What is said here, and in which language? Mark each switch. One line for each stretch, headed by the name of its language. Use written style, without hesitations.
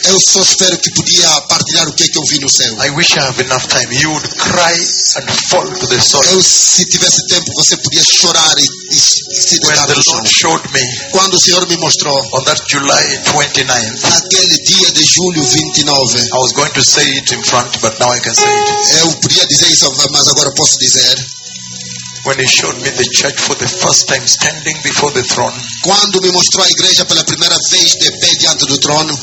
Portuguese: Eu só espero que podia partilhar o que eu vi no céu.
English: I wish I have enough time. You would cry and fall to the soil.
Portuguese: Eu se tivesse tempo você podia chorar e se deitar no chão.
English: When the Lord showed me.
Portuguese: Quando o Senhor me mostrou.
English: On that July 29th.
Portuguese: Naquele dia de julho 29.
English: I was going to say it in front, but now I can say it.
Portuguese: Eu podia dizer isso, mas agora posso dizer.
English: When he showed me the church for the first time standing before the throne.
Portuguese: Quando me mostrou a igreja pela primeira vez de pé diante do trono.